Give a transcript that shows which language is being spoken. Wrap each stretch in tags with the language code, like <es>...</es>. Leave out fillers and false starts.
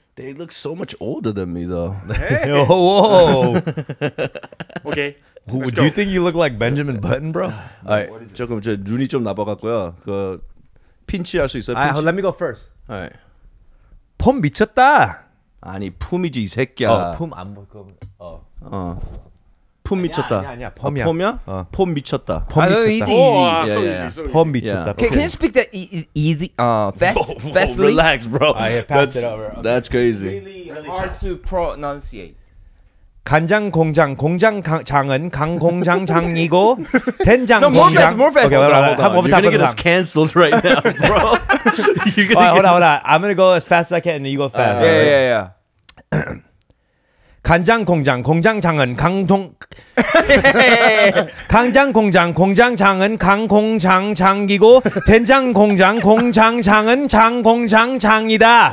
<en>They look so much older than me, though. Hey. Whoa. Okay. Do you think you look like Benjamin Button, bro? All right.</en> <ko>조금 제 눈이 좀 나빠갖고요. 그 핀치 할 수 있어요?</ko> <en>핀치. Let me go first. All right.</en> <ko>폼 미쳤다. 아니 품이지 이 새끼야. 품 안 볼 거. 폼 미쳤다. 아니야. 폼이야. 폼이야? 폼 미쳤다. 폼 미쳤다.</ko> <en>Easy. Yeah.</en> <ko>미쳤다.</ko> <en>Can you speak that easy? Fast. Relax, bro. I passed it over. That's crazy. Really hard to pronunciate.</en> <ko>간장 공장 공장장은 강 공장장이고 된장 공장.</ko> <en>No, more fast, more fast. Okay, hold on, hold on. You're gonna get us canceled right now, bro. You're gonna get us. Hold on, I'm gonna go as fast as I can, and you go fast. Yeah, yeah, yeah.</en> <ko>간장 공장 공장장은 강동 강장 공장 공장장은 강 공장장이고 된장 공장 공장장은 장 공장장이다.</ko>